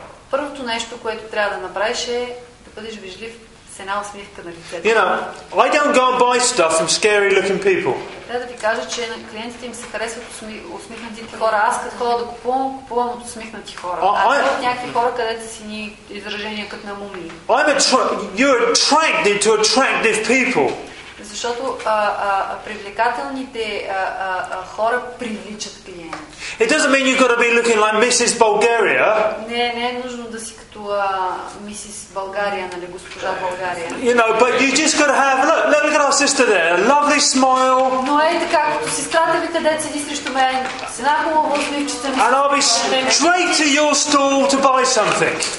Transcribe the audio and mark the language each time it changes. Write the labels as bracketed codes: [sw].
[bg] Първото нещо, което трябва да направиш, е да бъдеш вежлив с една усмивка на лицето. [en] You know, I don't go and buy stuff from scary looking people. [bg] Трябва да ви кажа, че на клиентите им се харесват усмихнатите хора. Аз като хора да купувам от усмихнати хора. От някакви хора, където си ни изражения като на мумии. [en] You're attracted to attractive people. [bg] Защото привлекателните хора привличат клиенти. [en] It doesn't mean you've got to be looking like Mrs. Bulgaria. [bg] Не е нужно да си като Mrs. Bulgaria, нали, госпожа България. [en] You know, but you just got to have look at our sister there, a lovely smile. [bg] Но ей така, като сестрата ви [en] And I'll be straight to your stall to buy something.